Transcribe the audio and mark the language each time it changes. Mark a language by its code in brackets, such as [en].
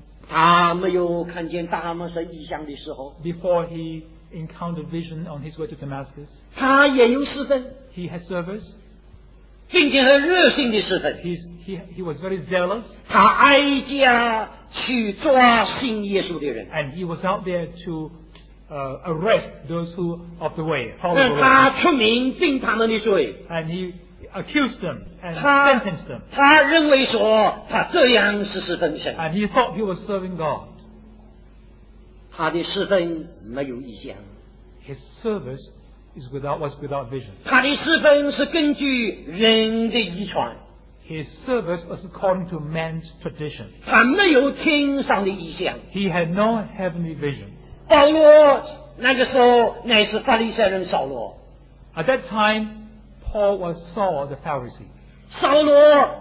[zh] 他没有看见大马士异象的时候, [en] before he encountered vision on his way to Damascus, [zh] 他也有侍奉, [en] he had service, [zh] 并且很热心的侍奉, [en] he was very zealous, [zh] 他挨家去抓信耶稣的人, [en] and he was out there to arrest those who of the way, follow the way. And he accused them and sentenced them, [zh] 他认为说他这样是侍奉神, [en] and he thought he was serving God. [zh] 他的侍奉没有意向, [en] his service is without, was without vision. [zh] 他的侍奉是根据人的遗传, [en] his service was according to man's tradition. [zh] 他没有天上的意向, [en] he had no heavenly vision. [zh] 保罗那个时候乃是法利赛人扫罗, [en] at that time Paul was Saul the Pharisee.